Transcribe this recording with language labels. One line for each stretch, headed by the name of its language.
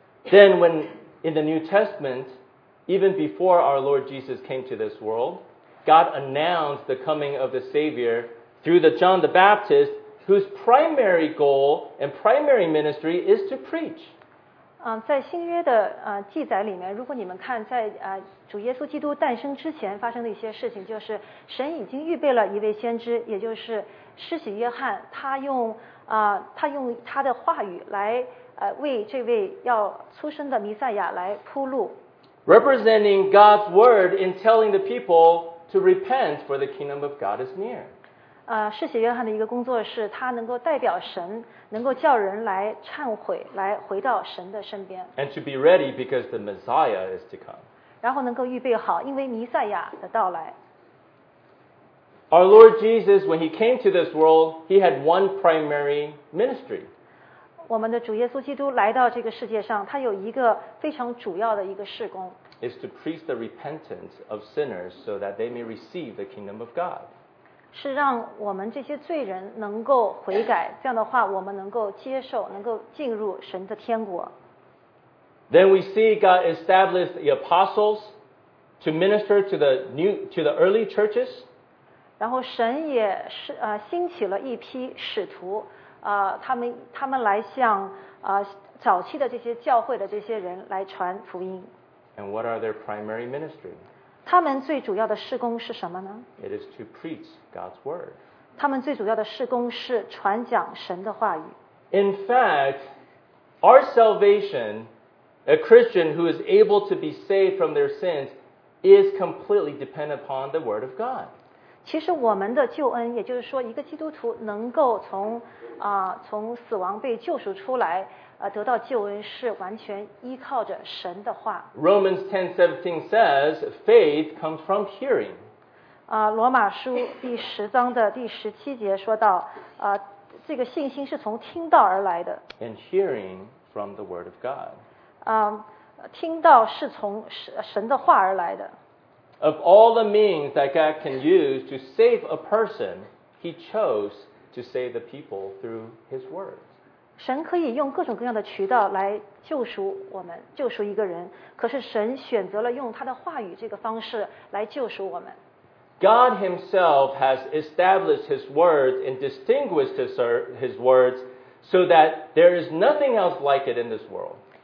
English: Then when in the New Testament, even before our Lord Jesus came to this world, God announced the coming of the Savior through the John the Baptist, whose primary goal and primary ministry is to preach.
Chinese: 在新约的记载里面，如果你们看在主耶稣基督诞生之前发生的一些事情，就是神已经预备了一位先知，也就是施洗约翰，他用他的话语来为这位要出生的弥赛亚来铺路。
English: Representing God's word in telling the people to repent for the kingdom of God is near.
Chinese: 施洗约翰的一个工作是他能够代表神，能够叫人来忏悔，来回到神的身边。
English: And to be ready because the Messiah is to come.
Chinese: 然后能够预备好，因为弥赛亚的到来。
English: Our Lord Jesus, when he came to this world, he had one primary ministry.
Chinese: 我们的主耶稣基督来到这个世界上，他有一个非常主要的一个事工。
English: Is to preach the repentance of sinners so that they may receive the kingdom of God.
Chinese: 是让我们这些罪人能够悔改，这样的话我们能够接受，能够进入神的天国。
English: Then we see God established the apostles to minister to the early churches.
Chinese: 然后神也兴起了一批使徒，他们来向早期的这些教会的这些人来传福音。
English: And what are their primary ministry?
Chinese: 他们最主要的事工是什么呢？
English: It is to preach God's word.
Chinese: 他们最主要的事工是传讲神的话语。
English: In fact, our salvation, a Christian who is able to be saved from their sins, is completely dependent upon the word of God.
Chinese: 其实我们的救恩，也就是说一个基督徒能够 从死亡被救赎出来，得到救恩是完全依靠着神的话。
English: Romans 10:17 says faith comes from hearing.
Chinese: 罗马书第十章的第十七节说到，这个信心是从听到而来的。
English: And hearing from the word of God.
Chinese: 听到是从神的话而来的。
English: Of all the means that God can use to save a person, he chose to save the people through his word.
Chinese: 神可以用各种各样的渠道来救赎我们，救赎一个人，可是神选择了用他的话语这个方式来救赎我们。
English: God himself has established his words and distinguished his words so that there is nothing else like it in this world.